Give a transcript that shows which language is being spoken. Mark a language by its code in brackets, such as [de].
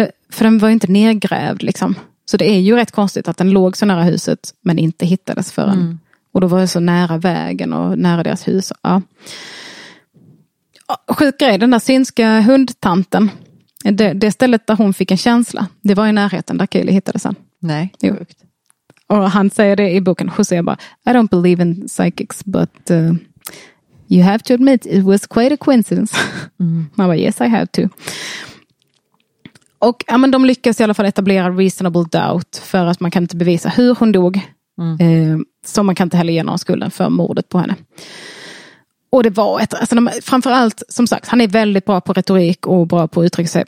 [sv] För den var ju inte nedgrävd liksom. Så det är ju rätt konstigt att den låg så nära huset men inte hittades förrän. Och då var det så nära vägen och nära deras hus. Ja. Sjuk grej, den där synska hundtanten. Det stället där hon fick en känsla. Det var i närheten där Kayleigh hittade sen. Nej, sjukt. Och han säger det i boken. José bara, [en] I don't believe in psychics, but you have to admit it was quite a coincidence. [sv] Man bara, [en] yes, I have to. [sv] Och ja, men de lyckas i alla fall etablera [en] reasonable doubt [sv] för att man kan inte bevisa hur hon dog. Så man kan inte heller ge någon skulden för mordet på henne. Och det var ett, alltså framförallt, som sagt, han är väldigt bra på retorik och bra på att uttrycka sig.